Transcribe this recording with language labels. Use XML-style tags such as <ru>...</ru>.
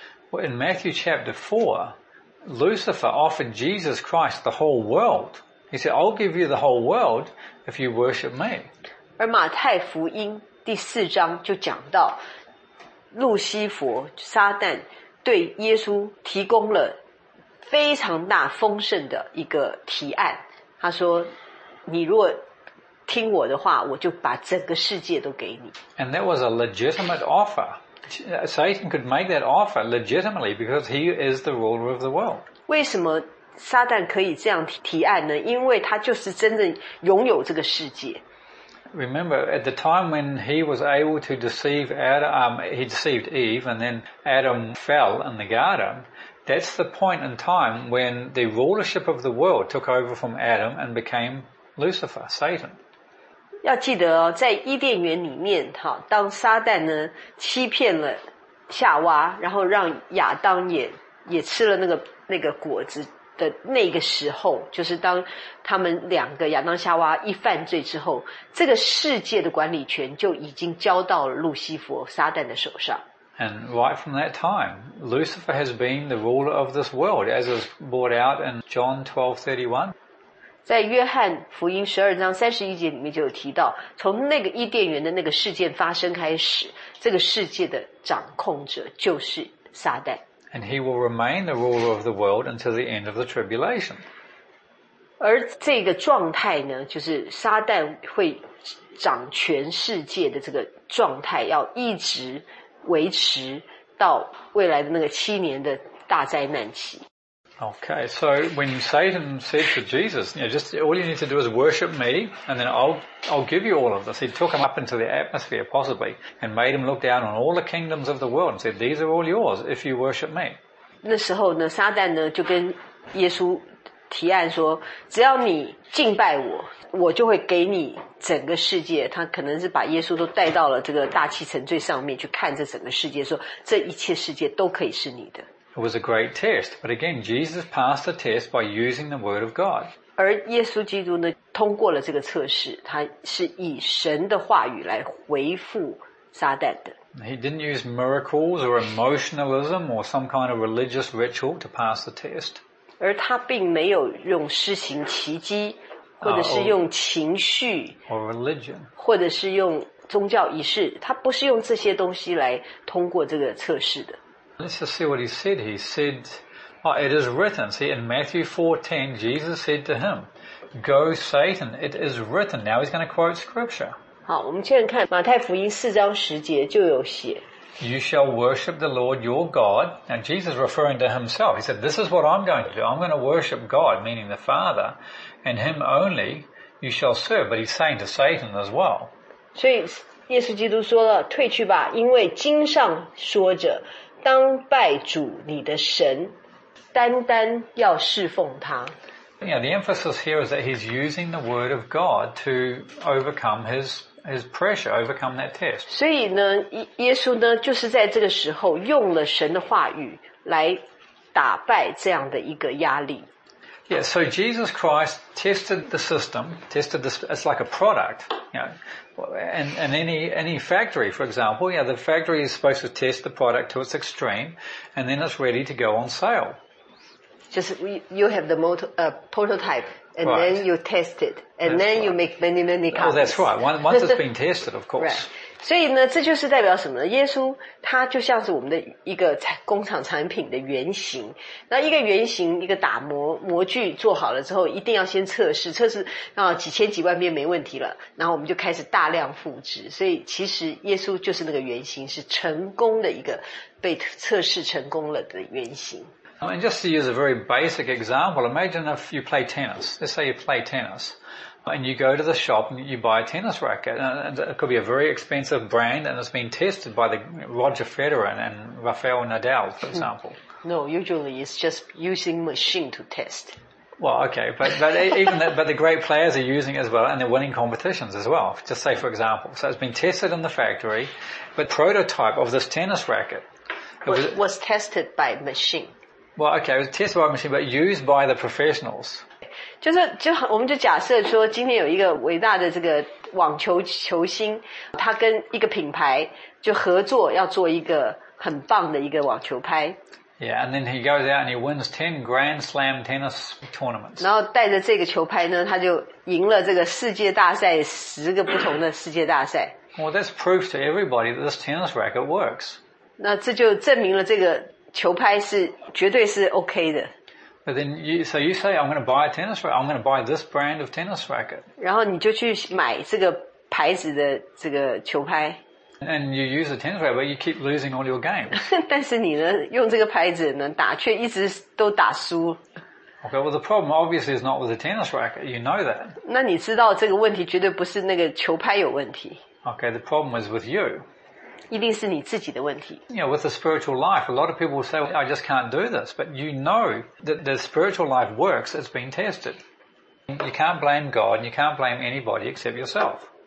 <en>Well, in Matthew chapter 4, Lucifer offered Jesus Christ the whole world. He said, I'll give you the whole world if you worship me.</en> <zh>而马太福音第四章就讲到路西佛撒旦对耶稣提供了非常大丰盛的一个提案。他说你如果听我的话我就把整个世界都给你。</zh> <en>And that was a legitimate offer. Satan could make that offer legitimately because he is the ruler of the world.</en> <zh>为什么撒旦可以这样提案呢？因为他就是真正拥有这个世界。</zh> <en>Remember, at the time when he was able to deceive Adam, he deceived Eve, and then Adam fell in the garden, that's the point in time when the rulership of the world took over from Adam and became Lucifer, Satan.</en> <zh>要记得哦，在伊甸园里面，好，当撒旦呢欺骗了夏娃，然后让亚当也吃了那个果子的那个时候，就是当他们两个亚当夏娃一犯罪之后，这个世界的管理权就已经交到了路西佛撒旦的手上。</zh> <en>And right from that time, Lucifer has been the ruler of this world, as is brought out in John 12:31.</en> <zh>在约翰福音十二章三十一节里面就有提到，从那个伊甸园的那个事件发生开始，这个世界的掌控者就是撒旦。</zh> <en>And he will remain the ruler of the world until the end of the tribulation.</en> <zh>而这个状态呢，就是撒旦会掌全世界的这个状态，要一直维持到未来的那个七年的大灾难期。</zh> <en>Okay, so when Satan said to Jesus, you know, just all you need to do is worship me, and then I'll give you all of this. He took him up into the atmosphere, possibly, and made him look down on all the kingdoms of the world and said, these are all yours if you worship me.</en> <zh>那时候呢，撒旦呢就跟耶稣提案说，只要你敬拜我，我就会给你整个世界。他可能是把耶稣都带到了这个大气层最上面去看这整个世界，说这一切世界都可以是你的。</zh> <en>It was a great test, but again, Jesus passed the test by using the word of God.</en> <zh>而耶稣基督呢，通过了这个测试，他是以神的话语来回复撒旦的。</zh> <en>He didn't use miracles or emotionalism or some kind of religious ritual to pass the test.</en> <zh>而他并没有用施行奇迹，或者是用情绪</zh> <en>or religion,</en> <zh>或者是用宗教仪式，他不是用这些东西来通过这个测试的。</zh> <en>Let's just see what he said. He said, oh, it is written. See, in Matthew 4:10, Jesus said to him, Go, Satan, it is written. Now he's going to quote scripture.</en> <zh>好，我们现在看马太福音四章十节就有写。</zh> <en>You shall worship the Lord your God. Now Jesus referring to himself. He said, this is what I'm going to do. I'm going to worship God, meaning the Father, and him only you shall serve. But he's saying to Satan as well.</en> <zh>所以耶稣基督说了，退去吧，因为经上说着。当拜主你的神，单单要侍奉他。</zh> <en>Yeah, the emphasis here is that he's using the word of God to overcome his pressure, overcome that test.</en> <zh>所以呢，耶稣呢，就是在这个时候用了神的话语来打败这样的一个压力。</zh> <en>Yeah, so Jesus Christ tested the system, tested this, it's like a product, you know, and any factory, for example, yeah, the factory is supposed to test the product to its extreme, and then it's ready to go on sale. Just, you have the prototype, and right. then you test it, and that's then right. you make many, many copies. Oh, that's right. Once it's been tested, of course. Right.</en> <zh>所以呢，这就是代表什么呢？耶稣他就像是我们的一个工厂产品的原型。那一个原型，一个打磨模具做好了之后，一定要先测试，测试啊几千几万遍没问题了，然后我们就开始大量复制。所以其实耶稣就是那个原型，是成功的一个被测试成功了的原型。</zh> <en>And just to use a very basic example, imagine if you play tennis. Let's say you play tennis. And you go to the shop and you buy a tennis racket. And it could be a very expensive brand and it's been tested by the Roger Federer and Rafael Nadal, for example. No, usually it's just using machine to test. Well, okay, but even but the great players are using it as well and they're winning competitions as well. Just say, for example, so it's been tested in the factory, but prototype of this tennis racket. It was tested by machine. Well, okay, it was tested by machine, but used by the professionals.</en> <zh>就是就我们就假设说今天有一个伟大的这个网球球星他跟一个品牌就合作要做一个很棒的一个网球拍。</zh> <en>Yeah, and then he goes out and he wins 10 Grand Slam tennis tournaments.</en> <zh>然后带着这个球拍呢，他就赢了这个世界大赛十个不同的世界大赛。</zh> <en>Well, that's proof to everybody that this tennis racket works.</en> <zh>那这就证明了这个球拍是绝对是 OK 的。</zh> <en>But then you say, I'm going to buy a tennis racket. I'm going to buy this brand of tennis racket.</en> <zh>然后你就去买这个牌子的这个球拍。</zh> <en>And you use a tennis racket, but you keep losing all your games.</en> <zh>但是你呢，用这个牌子呢打，却一直都打输。</zh> <en>Okay, well, the problem obviously is not with the tennis racket. You know that.</en> <zh>那你知道这个问题绝对不是那个球拍有问题。</zh> <en>Okay, the problem is with you.</en> <zh>一定是你自己的问题。</zh> <en>You know, with the spiritual life, a lot of people say, well, I just can't do this. But you know that the spiritual life works, it's been tested. You can't blame God, and you can't blame anybody except yourself.</en>